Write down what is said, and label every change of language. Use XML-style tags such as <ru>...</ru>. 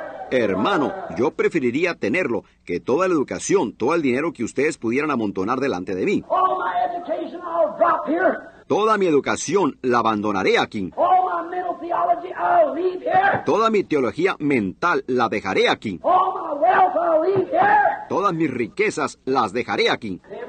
<es>Hermano, yo preferiría tenerlo que toda la educación, todo el dinero que ustedes pudieran amontonar delante de mí.</es> <en>All my education I'll drop here.</en> <es>Toda mi educación la abandonaré aquí.</es> <en>All my mental theology I'll leave here.</en> <es>Toda mi teología mental la dejaré aquí.</es> <en>All my wealth I'll leave here.</en> <es>Todas mis riquezas las dejaré aquí.</es>